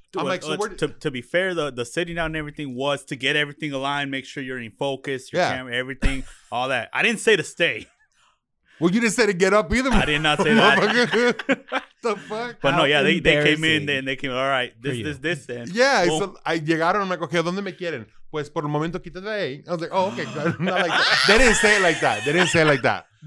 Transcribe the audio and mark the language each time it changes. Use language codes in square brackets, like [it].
[en] I'm like, to be fair, the sitting down and everything was to get everything aligned, make sure you're in focus, your camera, everything, all that. I didn't say to stay. Well, you didn't say to get up either. I did not say that. The fuck? But they came in and they came, all right, this then. Yeah, well, so I [es] llegaron, [en] I'm like, okay, [es] ¿dónde me quieren? Pues por el momento quita de ahí. [en] I was like, oh, okay. They didn't say it like that.